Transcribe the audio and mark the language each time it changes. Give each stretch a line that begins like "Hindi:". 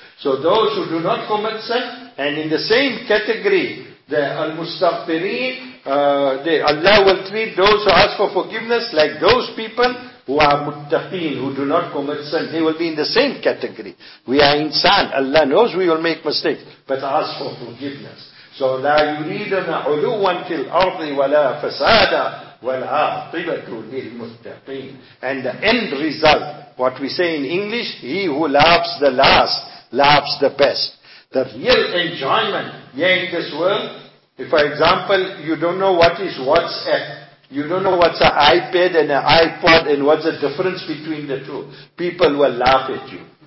English: So those who do not commit sin, and in the same category, the al-mustaghfirin, Allah will treat those who ask for forgiveness like those people who are muttaqeen, who do not commit sin. They will be in the same category. We are insan. Allah knows we will make mistakes. But ask for forgiveness.
Arabic: So لا يريدنا علوًا في الأرض ولا فسادا ولا عاقبة للمتقين.
English: And the end result, what we say in English, he who laughs the last, laughs the best. The real enjoyment, yeah, in this world, if for example, you don't know what is WhatsApp, you don't know what's an iPad and an iPod and what's the difference between the two, people will laugh at you.